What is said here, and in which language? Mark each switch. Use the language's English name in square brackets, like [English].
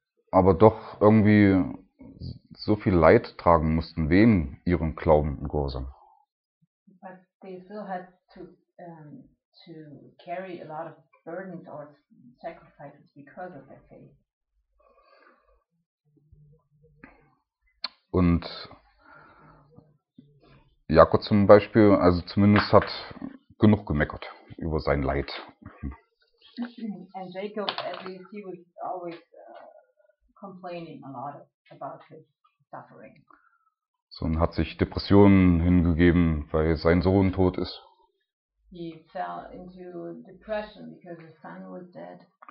[German] Aber doch irgendwie so viel Leid tragen mussten, wegen ihrem Glauben und Gehorsam. [English] But they still had to to carry a lot of burdens or sacrifices because of their faith. [German] Und Jakob zum Beispiel, also zumindest hat genug gemeckert über sein Leid. [English] And Jacob, at least, he was always complaining a lot about his suffering. [German] So, und hat sich Depressionen hingegeben, weil sein Sohn tot ist. [English] He fell into depression because his son was dead.